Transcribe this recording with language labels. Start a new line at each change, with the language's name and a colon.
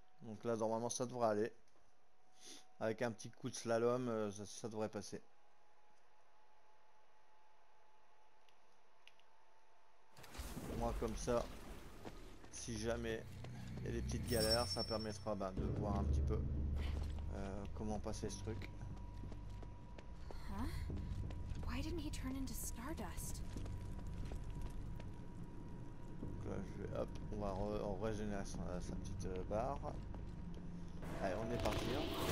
French: Donc là, normalement, ça devrait aller. Avec un petit coup de slalom, ça devrait passer. Comme ça, si jamais il y a des petites galères, ça permettra de voir un petit peu comment passer ce truc.
English: Why didn't he turn into stardust?
French: Donc là, je vais, hop, on va régénérer sa petite barre. Allez, on est parti. Hein.